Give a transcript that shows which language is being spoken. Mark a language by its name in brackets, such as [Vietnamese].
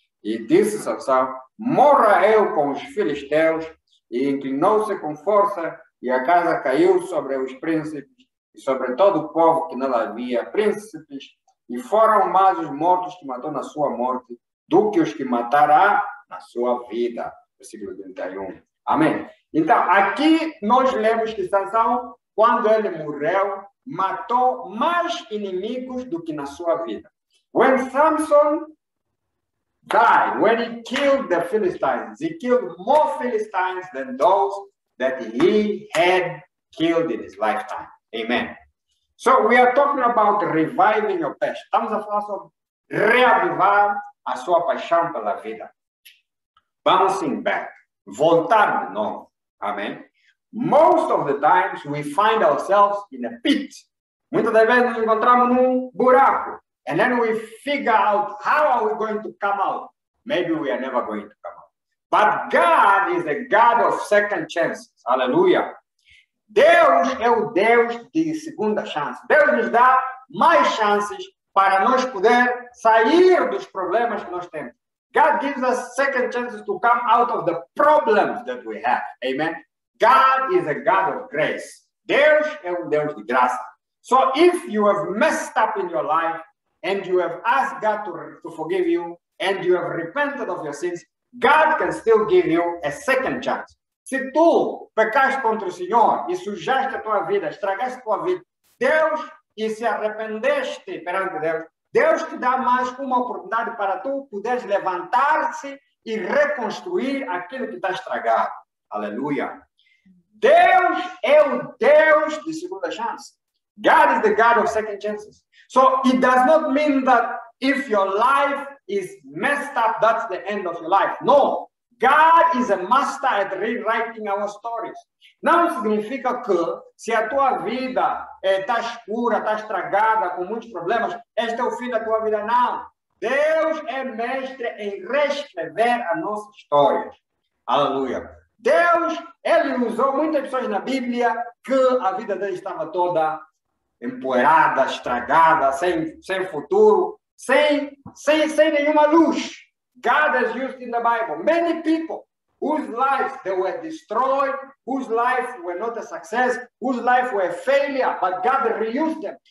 [Portuguese] E disse Sansão, morra eu com os filisteus, e inclinou-se com força, e a casa caiu sobre os príncipes, e sobre todo o povo que nela havia príncipes, e foram mais os mortos que matou na sua morte, do que os que matará na sua vida. Versículo 31. Amém. Então, aqui nós lemos que Sansão, quando ele morreu, matou mais inimigos do que na sua vida. [English] When Samson died, when he killed the Philistines, he killed more Philistines than those that he had killed in his lifetime. Amen. So we are talking about reviving your passion. [Portuguese] Estamos a falar sobre reavivar a sua paixão pela vida. [English] Bouncing back. [Portuguese] Voltar de novo. Amen. [English] Most of the times we find ourselves in a pit. [Portuguese] Muitas das vezes nos encontramos num buraco. [English] And then we figure out how are we going to come out. Maybe we are never going to come out. But God is a God of second chances. [Portuguese] Hallelujah. Deus é o Deus de segunda chance. Deus nos dá mais chances para nós poder sair dos problemas que nós temos. [English] God gives us second chances to come out of the problems that we have. Amen. God is a God of grace. [Portuguese] Deus é um Deus de graça. [English] So if you have messed up in your life and you have asked God to forgive you and you have repented of your sins, God can still give you a second chance. [Portuguese] Se tu pecaste contra o Senhor e sujaste a tua vida, estragaste a tua vida, Deus, e se arrependeste perante Deus, Deus te dá mais uma oportunidade para tu poderes levantar-se e reconstruir aquilo que está estragado. Aleluia. Deus é o Deus de segunda chance. [English] God is the God of second chances. So it does not mean that if your life is messed up, that's the end of your life. No. God is a master at rewriting our stories. [Portuguese] Não significa que se a tua vida está escura, está estragada, com muitos problemas, este é o fim da tua vida. Não. Deus é mestre em reescrever as nossas histórias. Aleluia. Deus, ele usou muitas pessoas na Bíblia que a vida deles estava toda empoeirada, estragada, sem futuro, sem nenhuma luz. [English] God has used in the Bible many people whose lives they were destroyed, whose lives were not a success, whose life were a failure, but God reused them.